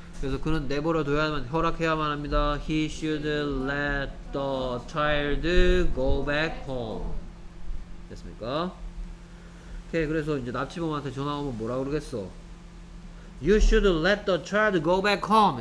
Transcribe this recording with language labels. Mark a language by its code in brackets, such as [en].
[ko] 그래서 그는 내버려 둬야만, 허락해야만 합니다. [en] He should let the child go back home. [ko] 됐습니까? 오케이. 그래서 이제 납치범한테 전화 오면 뭐라 그러겠어? [en] You should let the child go back home.